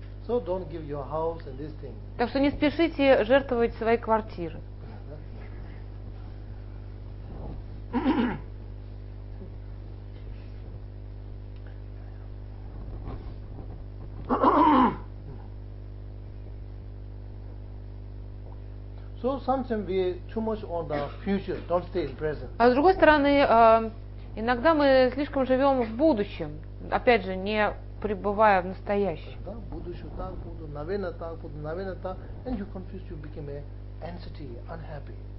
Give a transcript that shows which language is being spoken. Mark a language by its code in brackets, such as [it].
[en] So don't give your house and this thing. [ru] Так что не спешите жертвовать свои квартиры. [en] So sometimes we too much on the future, don't stay in present. [ru] А с другой стороны, иногда мы слишком живем в будущем, опять же, не пребывая в настоящем. Да, будущее так буду, наверное так буду, наверное так, [en] and you confused, you became a entity, unhappy.